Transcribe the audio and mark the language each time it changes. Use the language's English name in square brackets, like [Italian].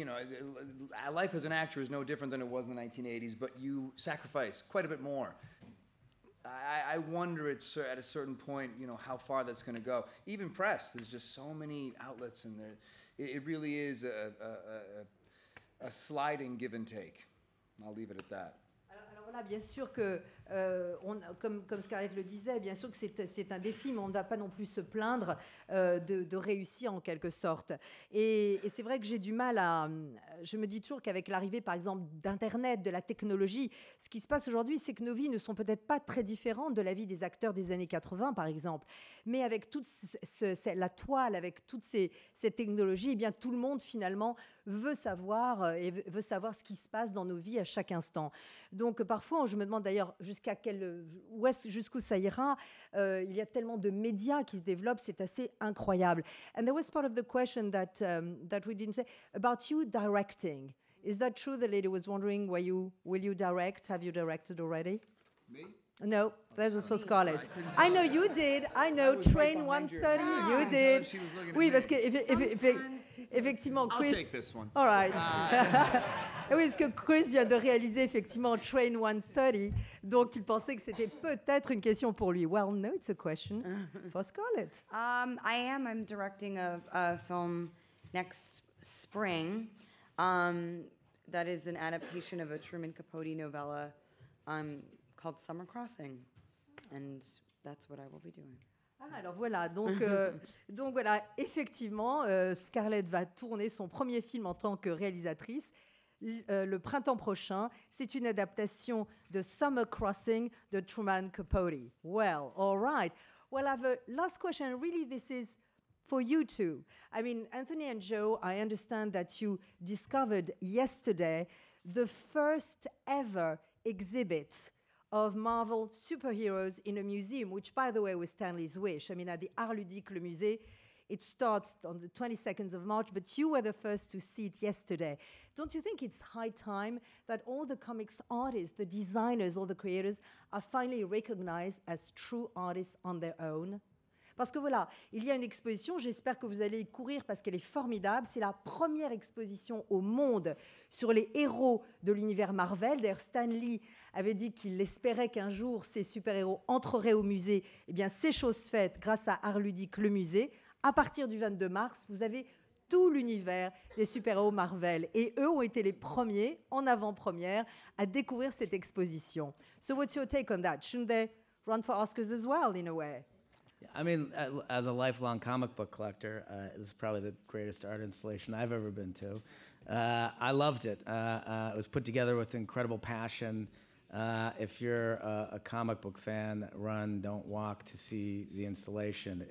[English] You know, life as an actor is no different than it was in the 1980s, but you sacrifice quite a bit more. I wonder at a certain point, you know, how far that's going to go. Even press, there's just so many outlets in there. It really is a sliding give and take. I'll leave it at that. [French] Alors voilà, bien sûr que, comme Scarlett le disait, bien sûr que c'est un défi, mais on ne va pas non plus se plaindre de réussir en quelque sorte. Et c'est vrai que j'ai du mal à... Je me dis toujours qu'avec l'arrivée, par exemple, d'Internet, de la technologie, ce qui se passe aujourd'hui, c'est que nos vies ne sont peut-être pas très différentes de la vie des acteurs des années 80, par exemple. Mais avec toute la toile, avec toutes ces technologies, eh bien, tout le monde, finalement, veut savoir ce qui se passe dans nos vies à chaque instant. Donc, parfois, je me demande d'ailleurs jusqu'où ça ira. Il y a tellement de médias qui se développent, c'est assez incroyable. [English] And there was part of the question that that we didn't say about you directing. Is that true? The lady was wondering, will you direct? Have you directed already? Me? No, that was for Scarlett. I know you did. I know, Train 130, her. You did. No, she was looking [French] oui, [English] at [French] parce [English] me. [French] Que effectivement, [English] I'll Chris. I'll take this one. All right. [French] Oui, parce que Chris vient de réaliser effectivement Train 130, donc il pensait que c'était peut-être une question pour lui. [English] Well, no, it's a question for Scarlett. I'm directing a film next spring that is an adaptation of a Truman Capote novella called Summer Crossing, and that's what I will be doing. [French] Ah, alors voilà, donc voilà, effectivement, Scarlett va tourner son premier film en tant que réalisatrice le printemps prochain. C'est une adaptation de Summer Crossing de Truman Capote. [English] Well, all right. Well, I have a last question. Really, this is for you two. I mean, Anthony and Joe, I understand that you discovered yesterday the first ever exhibit of Marvel superheroes in a museum, which, by the way, was Stan Lee's wish. I mean, at the Art Ludique, Le Musée, it starts on the 22nd of March, but you were the first to see it yesterday. Don't you think it's high time that all the comics artists, the designers, all the creators, are finally recognized as true artists on their own? [French] Parce que voilà, il y a une exposition, j'espère que vous allez y courir parce qu'elle est formidable. C'est la première exposition au monde sur les héros de l'univers Marvel. D'ailleurs, Stan Lee avait dit qu'il espérait qu'un jour ces super-héros entreraient au musée. Eh bien, c'est chose faite grâce à Art Ludique, le musée. À partir du 22 mars, vous avez tout l'univers des super-héros Marvel. Et eux ont été les premiers, en avant-première, à découvrir cette exposition. [English] So what's your take on that? Shouldn't they run for Oscars as well, in a way? I mean, as a lifelong comic book collector, it's probably the greatest art installation I've ever been to. I loved it. It was put together with incredible passion. If you're a comic book fan, run, don't walk to see the installation.